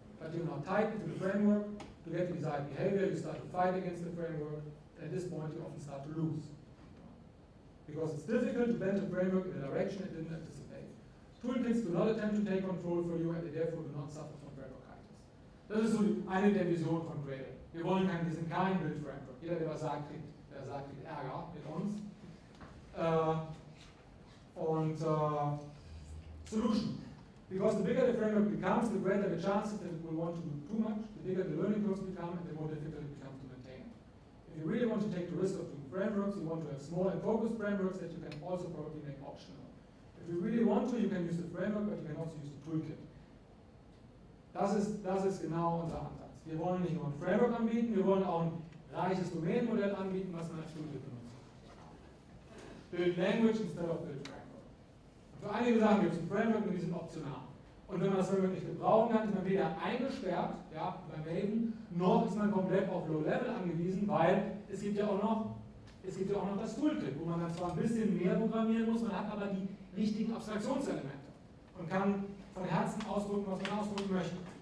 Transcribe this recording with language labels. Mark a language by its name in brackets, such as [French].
[English] But you're not tied into the framework to get the desired behavior, you start to fight against the framework, and at this point you often start to lose. Because it's difficult to bend the framework in a direction it didn't anticipate. Toolkits do not attempt to take control for you and they therefore do not suffer from frameworkitis. [German] Das ist so eine der Visionen von Gradle. Wir wollen keinen, wir sind kein Build Framework. Jeder, der was sagt, kriegt, Ärger mit uns. [English] Solution. Because the bigger the framework becomes, the greater the chance that it will want to do too much, the bigger the learning curves become, and the more difficult it becomes to maintain. If you really want to take the risk of doing frameworks, you want to have small and focused frameworks that you can also probably make optional. If you really want to, you can use the framework, but you can also use the toolkit. [German] Das ist genau unser Ansatz. Wir wollen nicht nur ein Framework anbieten, wir wollen auch ein reiches Domainmodell anbieten, was man als Studie benutzt. [English] Build Language instead of Build Framework. [German] Für einige Sachen gibt es ein Framework und die sind optional. Und wenn man das Framework nicht gebrauchen kann, ist man weder eingesperrt, ja, bei Maven, noch ist man komplett auf Low Level angewiesen, weil es gibt ja auch noch das Toolkit, wo man dann zwar ein bisschen mehr programmieren muss, man hat aber die richtigen Abstraktionselemente und kann von Herzen ausdrücken, was man ausdrücken möchte.